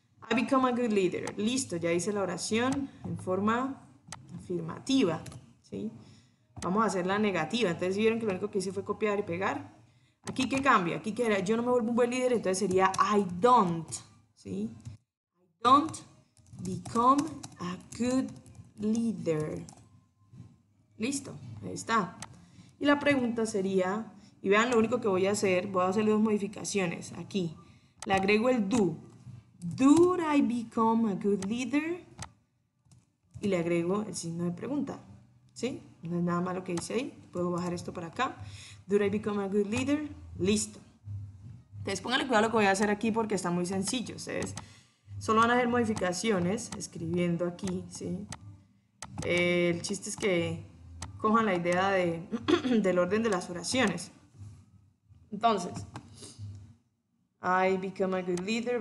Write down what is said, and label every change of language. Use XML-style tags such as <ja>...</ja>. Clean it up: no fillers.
<en>I become a good leader.</en> <es>Listo. Ya hice la oración en forma afirmativa, ¿sí? Vamos a hacer la negativa. Entonces, ¿sí vieron que lo único que hice fue copiar y pegar? Aquí, ¿qué cambia? Aquí, ¿qué era? Yo no me vuelvo un buen líder, entonces sería</es> <en>I don't,</en> <es>¿sí?</es> <en>Don't become a good leader.</en> <es>Listo, ahí está. Y la pregunta sería, y vean, lo único que voy a hacer dos modificaciones. Aquí, le agrego el do.</es> <en>Do I become a good leader?</en> <es>Y le agrego el signo de pregunta, ¿sí? No es nada malo lo que dice ahí. Puedo bajar esto para acá.</es> <en>Do I become a good leader?</en> <es>Listo. Entonces, pónganle cuidado lo que voy a hacer aquí porque está muy sencillo. Ustedes solo van a hacer modificaciones escribiendo aquí, ¿sí? El chiste es que cojan la idea del orden de las oraciones. Entonces,</es> <en>I become a good leader.</en>